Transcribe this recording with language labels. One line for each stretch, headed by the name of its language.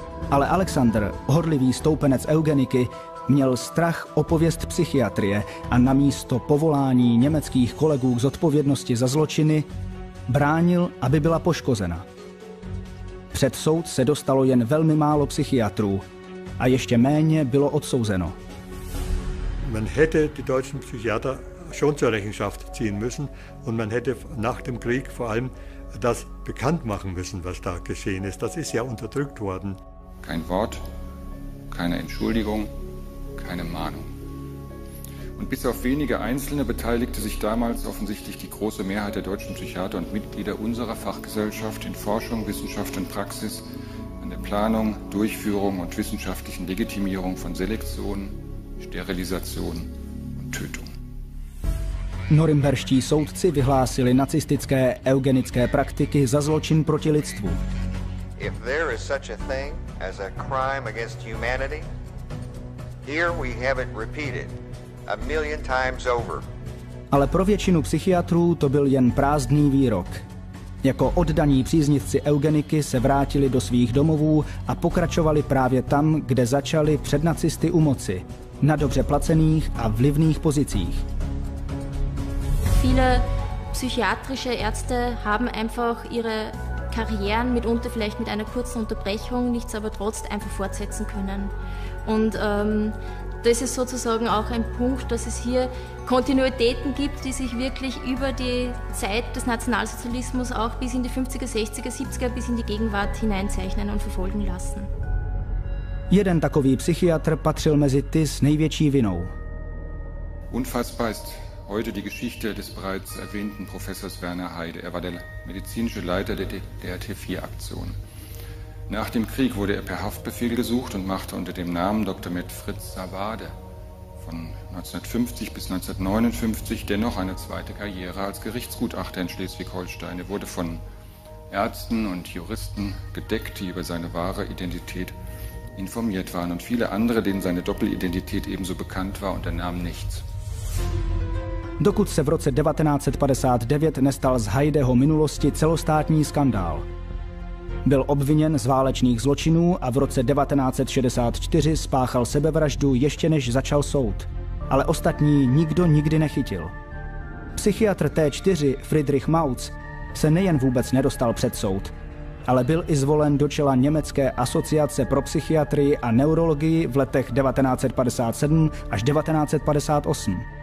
Czech: Ale Alexander, horlivý stoupenec eugeniky, měl strach o pověst psychiatrie a namísto povolání německých kolegů k zodpovědnosti za zločiny bránil, aby byla poškozena. před soud se dostalo jen velmi málo psychiatrů a ještě méně bylo odsouzeno.
German: Man hätte die deutschen Psychiater schon zur Rechenschaft ziehen müssen und man hätte nach dem Krieg vor allem das bekannt machen müssen, was da geschehen ist. Das ist ja unterdrückt worden. Kein Wort, keine Entschuldigung, keine Mahnung. Und bis auf wenige Einzelne beteiligte sich damals offensichtlich die große Mehrheit der deutschen Psychiater und Mitglieder unserer Fachgesellschaft in Forschung, Wissenschaft und Praxis an der Planung, Durchführung und wissenschaftlichen Legitimierung von Selektionen, Sterilisation und Tötung.
Czech: Norimberští soudci vyhlásili nacistické eugenické praktiky za zločin proti lidstvu.
English: If there is such a thing as a crime against humanity, here we have it repeated a million times over.
Czech: Ale pro většinu psychiatrů to byl jen prázdný výrok. Jako oddaní příznivci eugeniky se vrátili do svých domovů a pokračovali právě tam, kde začali před nacisty u moci, na dobře placených a vlivných pozicích.
German: Viele psychiatrische Ärzte haben einfach ihre Karrieren mitunter vielleicht mit einer kurzen Unterbrechung, nichts aber trotzdem einfach fortsetzen können. Und das ist sozusagen auch ein Punkt, dass es hier Kontinuitäten gibt, die sich wirklich über die Zeit des Nationalsozialismus auch bis in die 50er, 60er, 70er, bis in die Gegenwart hineinzeichnen und verfolgen lassen.
Czech: Jeden takový Psychiater patřil mezi ty s největší vinou.
German: Unfassbar ist heute die Geschichte des bereits erwähnten Professors Werner Heide. Er war der medizinische Leiter der T4-Aktion. Nach dem Krieg wurde er per Haftbefehl gesucht und machte unter dem Namen Dr. Med. Fritz Savade von 1950 bis 1959 dennoch eine zweite Karriere als Gerichtsgutachter in Schleswig-Holstein. Er wurde von Ärzten und Juristen gedeckt, die über seine wahre Identität informiert waren, und viele andere, denen seine Doppelidentität ebenso bekannt war, unternahmen nichts.
Czech: Dokud se v roce 1959 nestal z Heideho minulosti celostátní skandál. Byl obviněn z válečných zločinů a v roce 1964 spáchal sebevraždu ještě než začal soud. Ale ostatní nikdo nikdy nechytil. Psychiatr T4 Friedrich Mautz se nejen vůbec nedostal před soud, ale byl i zvolen do čela Německé asociace pro psychiatrii a neurologii v letech 1957 až 1958.